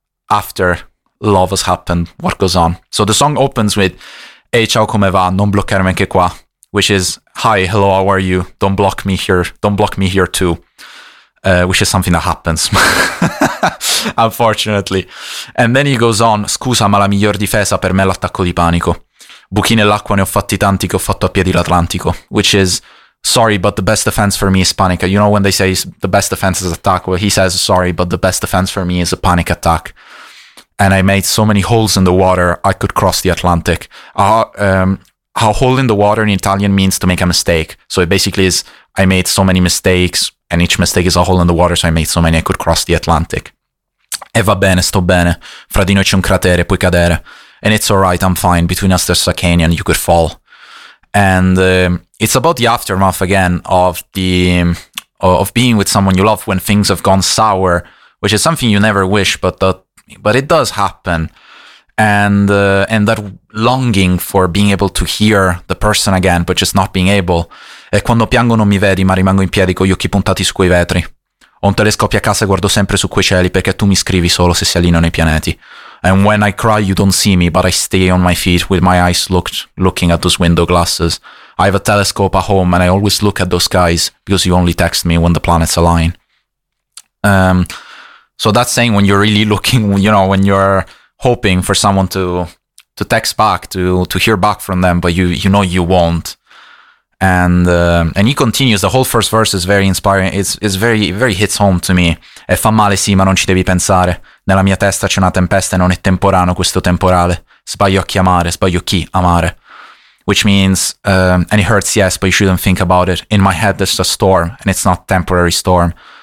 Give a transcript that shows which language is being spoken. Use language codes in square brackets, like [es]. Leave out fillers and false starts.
[en] After love has happened, what goes on? So the song opens with "Hey, ciao, come va? Non bloccarmi anche qua," which is "Hi, hello, how are you? Don't block me here. Don't block me here too," which is something that happens, unfortunately. And then he goes on. [it] "Scusa, ma la miglior difesa per me è l'attacco di panico. Buchi nell'acqua ne ho fatti tanti che ho fatto a piedi l'Atlantico," which is "Sorry, but the best defense for me is panic." [en] You know when they say the best defense is attack? Well, he says, "Sorry, but the best defense for me is a panic attack." "And I made so many holes in the water, I could cross the Atlantic." How hole in the water in Italian means to make a mistake. So it basically is, I made so many mistakes, and each mistake is a hole in the water, so I made so many, I could cross the Atlantic. [it] "E va bene, sto bene. Fra di noi c'è un cratere, puoi cadere." [en] "And it's all right, I'm fine. Between us there's a canyon, you could fall." And it's about the aftermath again of the of being with someone you love when things have gone sour, which is something you never wish, but it does happen. And that longing for being able to hear the person again, but just not being able. [it] "E quando piango non mi vedi, ma rimango in piedi con gli occhi puntati su quei vetri. Ho un telescopio a casa e guardo sempre su quei cieli, perché tu mi scrivi solo se si allineano i pianeti." [en] And when I cry, you don't see me, but I stay on my feet with my eyes looking at those window glasses. I have a telescope at home and I always look at those skies because you only text me when the planets align. So that's saying when you're really looking, you know, when you're hoping for someone to text back, to hear back from them, but you know you won't. And he continues, the whole first verse is very inspiring. It's very, very hits home to me. [it] E fa male sì, ma non ci devi pensare. Nella mia testa c'è una tempesta e non è temporaneo questo temporale. Sbaglio a chiamare, sbaglio chi amare. [en] Which means, and it hurts, yes, but you shouldn't think about it. In my head, there's a storm and it's not temporary storm.